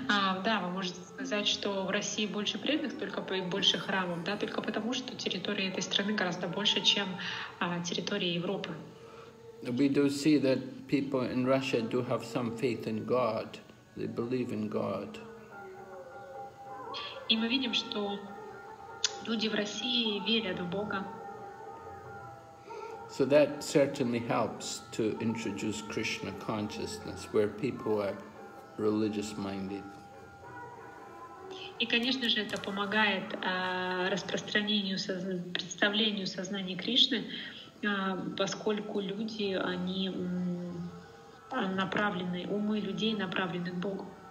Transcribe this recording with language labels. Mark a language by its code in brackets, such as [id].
[ru] да, вы можете сказать, что в России больше преданных, только больше храмов, да, только потому, что территория этой страны гораздо больше, чем территория Европы. [en] We do see that people in Russia do have some faith in God. They believe in God. [ru] И мы видим, что люди в России верят в Бога. [en] So that certainly helps to introduce Krishna consciousness where people are religious minded. [ru] И, конечно же, это помогает распространению представлению сознания Кришны, поскольку люди, они направлены, умы людей направлены к Богу.